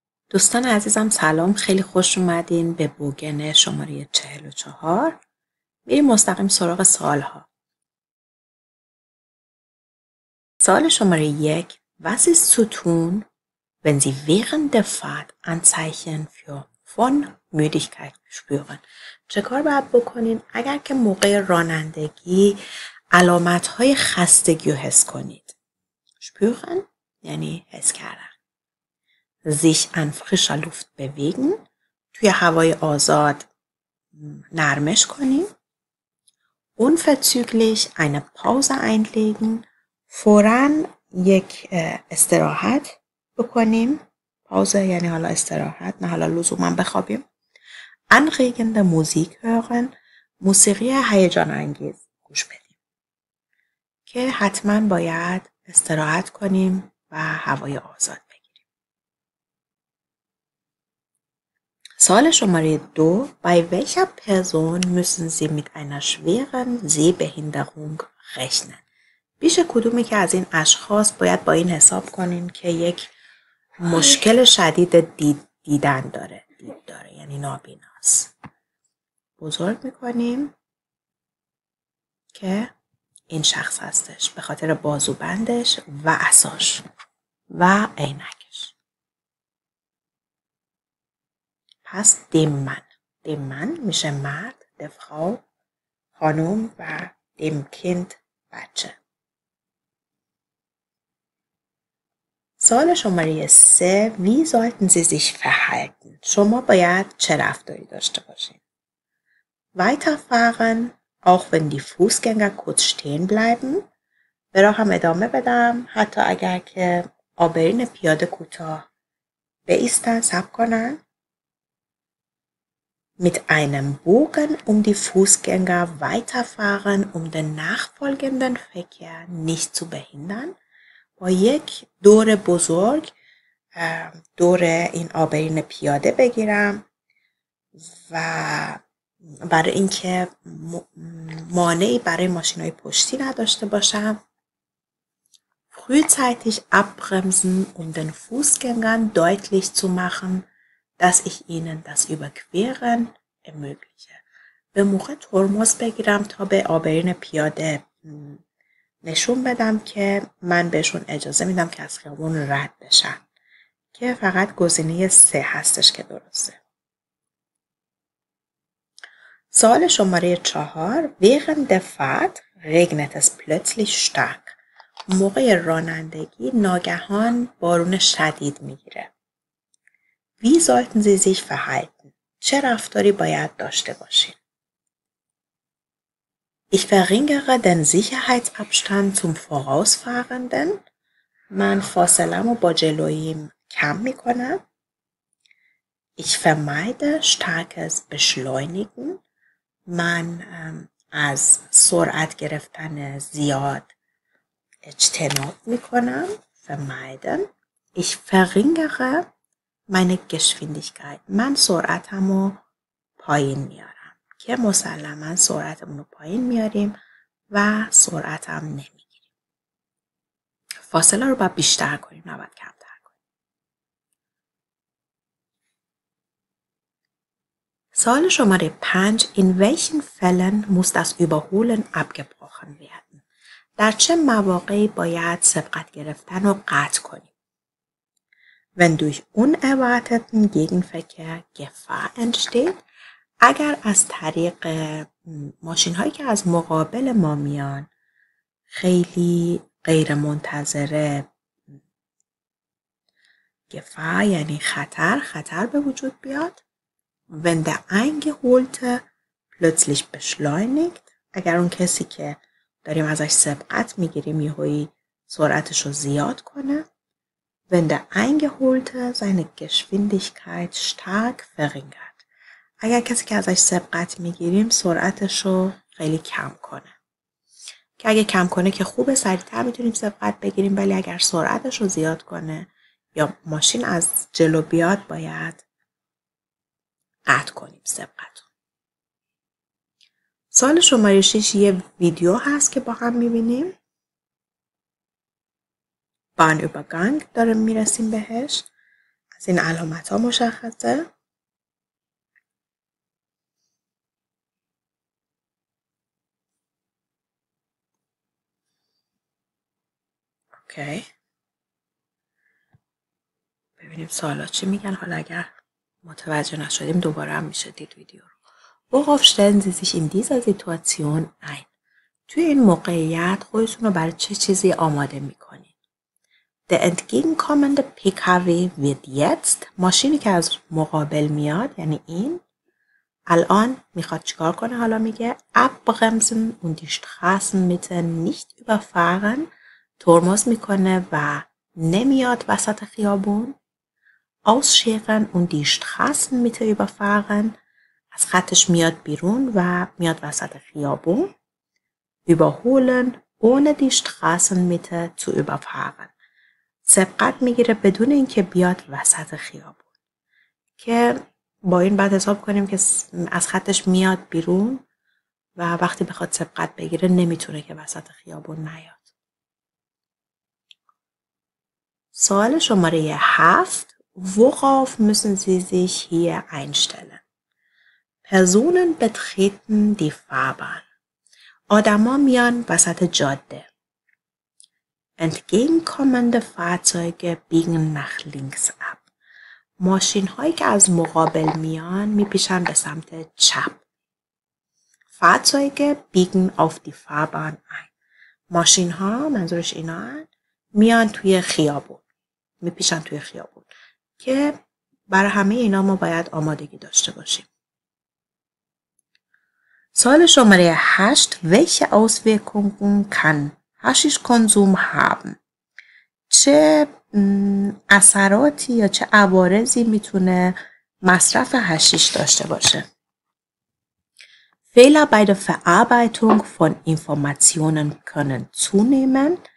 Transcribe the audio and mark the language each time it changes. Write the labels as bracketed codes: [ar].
[fa] دوستان عزیزم سلام، خیلی خوش اومدین به بوگن شماره 44. بریم مستقیم سراغ سوالها. سوال شماره 1: [de] Was ist zu tun, wenn Sie während der Fahrt Anzeichen von Müdigkeit spüren? [fa] چه کار باید بکنین اگر که موقع رانندگی علامت های خستگی رو حس کنید؟ Spüren یعنی حس کردن. [de] Sich an frischer Luft bewegen, [fa] توی هوای آزاد نرمش کنیم. [de] Unverzüglich eine Pause einlegen, [fa] فوراً یک استراحت بکنیم. پاوزه یعنی حالا استراحت، نه حالا لزوما بخوابیم. [de] Anregende Musik hören, [fa] موسیقی هیجان انگیز گوش بدیم. که حتما باید استراحت کنیم و هوای آزاد. سوال شماره 2: [de] Bei welcher Person müssen Sie mit einer schweren Sehbehinderung rechnen? [fa] پیش کدومی که از این اشخاص باید با این حساب کنین که یک مشکل شدید دیدن داره، دید داره، یعنی نابیناست. بزرگ میکنیم که این شخص هستش به خاطر بازوبندش و عصاش و عینک. پس دیم من میشه مرد، دی فراو خانوم و دیم کیند بچه. سوال شماره 3: وی زالتن سی سیش فرهالتن؟ شما باید چه رفتاری داشته باشین؟ ویتر فارن اوخ ون دی فوسگنگر کورز شتین بلایبن، به راه هم ادامه بدم حتی اگر که آبرین پیاده کوتاه بایستن، سب کنن. [de] Mit einem Bogen um die Fußgänger weiterfahren, um den nachfolgenden Verkehr nicht zu behindern. [fa] با یک دور بزرگ دور این آبرین پیاده بگیرم و برای اینکه مانعی برای ماشین‌های پشتی نداشته باشم. [de] Frühzeitig abbremsen, um den Fußgängern deutlich zu machen, dass ich ihnen das überqueren ermögliche. [fa] به موقع ترمز بگیرم تا به آبرین پیاده نشون بدم که من بهشون اجازه میدم که از خیابون رد بشن، که فقط گزینه 3 هستش که درسته. سوال شماره 4: [de] Während der Fahrt regnet es plötzlich stark. [fa] موقع رانندگی ناگهان بارون شدید میگیره. [de] Wie sollten Sie sich verhalten? [fa] چه رفتاری باید داشته باشین؟ [de] Ich verringere den Sicherheitsabstand zum Vorausfahrenden. [fa] من فاصله‌مو با جلویم کم می‌کنم. [de] Ich vermeide starkes Beschleunigen. [fa] من از سرعت گرفتن زیاد اجتناب می‌کنم. [de] Vermeiden. Ich verringere meine Geschwindigkeit. [fa] من سرعتمو پایین میارم، که مسلما سرعتمونو پایین میاریم و سرعتم نمیگیریم. فاصله رو باید بیشتر کنیم، نباید کمتر کنیم. سوال شماره 5: [de] In welchen Fällen muss das Überholen abgebrochen werden? [fa] در چه مواقعی باید سبقت گرفتن رو قطع کنیم؟ [de] Wenn durch unerwarteten Gegenverkehr Gefahr entsteht, [fa] اگر از طریق ماشین هایی که از مقابل ما میان خیلی غیر منتظره Gefahr یعنی خطر به وجود بیاد. [de] Wenn der Eingeholte plötzlich beschleunigt, [fa] اگر اون کسی که داریم ازش سبقت میگیریم یهویی سرعتش رو زیاد کنه. [de] Wenn der Eingeholte seine Geschwindigkeit stark verringert. [fa] اگر کسی که ازش سبقت میگیریم سرعتش رو خیلی کم کنه. که اگه کم کنه که خوبه، سریعتر میتونیم سبقت بگیریم، ولی اگر سرعتش رو زیاد کنه یا ماشین از جلو بیاد باید قطع کنیم سبقت. سوال شماره 6 یه ویدیو هست که با هم میبینیم. بان اوبرگانگ داره میرسیم بهش. از این علامت ها مشخصه. اوکی. ببینیم سوالا چی میگن، حالا اگر متوجه نشدیم دوباره هم میشه دید ویدیو رو. [de] Worauf stellen Sie sich in dieser Situation ein? [fa] توی این موقعیت خودتون رو برای چه چیزی آماده میکنید؟ [de] The entgegenkommende PKW wird jetzt، [fa] ماشینی که از مقابل میاد یعنی این، الان میخواد چیکار کنه؟ حالا میگه [de] abbremsen und die Straßenmitte nicht überfahren، [fa] ترمز میکنه و نمیاد وسط خیابون، [de] ausscheren und die Straßenmitte überfahren، [fa] از خطش میاد بیرون و میاد وسط خیابون، [de] überholen ohne die Straßenmitte zu überfahren، [fa] سبقت میگیره بدون اینکه بیاد وسط خیابون، که با این بعد حساب کنیم که از خطش میاد بیرون و وقتی بخواد سبقت بگیره نمیتونه که وسط خیابون نیاد. سوال شماره 7، [de] worauf müssen Sie sich hier einstellen؟ Personen betreten die Fahrbahn، [fa] آدم ها میان وسط جاده. [de] Entgegenkommende Fahrzeuge biegen nach links ab، [fa] ماشین هایی که از مقابل میان میپیشن به سمت چپ. [de] Fahrzeuge biegen auf die Fahrbahn ein، [fa] ماشین ها منظورش اینا هن، میان توی خیابون، میپیشن توی خیابون، که برای همه اینا ما باید آمادگی داشته باشیم. سوال شماره 8، [de] welche Auswirkungen kann Haschischkonsum haben؟ [fa] چه اثراتی یا چه عوارضی میتونه مصرف حشیش داشته باشه؟ [de] Fehler bei der Verarbeitung von Informationen können zunehmen.